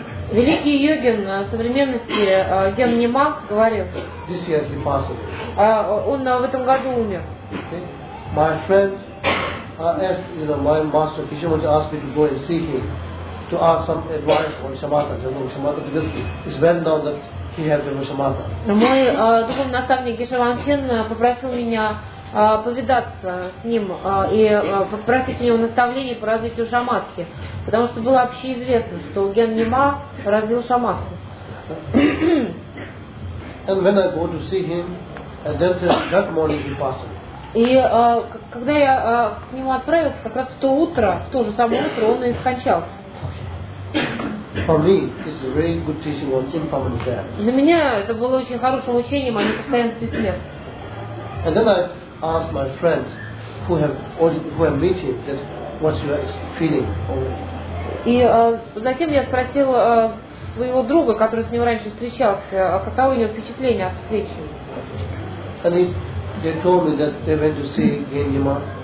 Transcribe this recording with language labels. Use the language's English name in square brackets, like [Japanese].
[Russian] Великий йогин современности Ген Нима говорил. [English] This year he passed. [Russian] Он в этом году умер. [English] My friend asked, you know, my master Kishimoto asked me to go and see him to ask some advice on shamatha, because it's well known that he has the shamatha. [Russian] Мой духовный наставник Кишиван Чен попросил меня повидаться с ним и попросить у него наставления по развитию шамадхи, потому что было общеизвестно, что Ген Нима развил шамадхи. [English] And when I go to see him, that morning he passed. [Russian] И когда я к нему отправился, как раз в то утро, в то же самое утро, он и скончался. [English] For me, it's a very good teaching on impermanent death. [Russian] Для меня это было очень хорошим учением о непостоянстве смерти. [English] And then I asked my friend who have met him that what's your feeling already. [Russian] И затем я спросил своего друга, который с ним раньше встречался, каково у него впечатление о встрече. [English] And they told me that they went to see Ген Нима.